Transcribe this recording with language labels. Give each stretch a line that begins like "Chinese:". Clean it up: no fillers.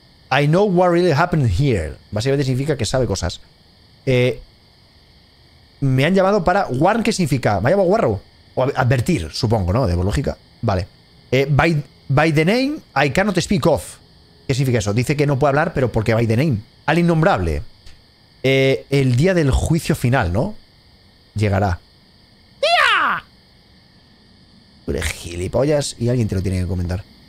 English: I know what really happened here.
Spanish: Básicamente significa que sabe cosas. Me han llamado para warn, ¿qué significa? ¿Me ha llamado guarro? O advertir, supongo, ¿no? De lógica. Vale.
English: By the name, I cannot speak of.
Spanish: ¿Qué significa eso? Dice que no puede hablar, pero porque
English: by the name.
Spanish: Al innombrable. El día del juicio final, ¿no? Llegará. ¡Día! Eres gilipollas y alguien te lo tiene que comentar.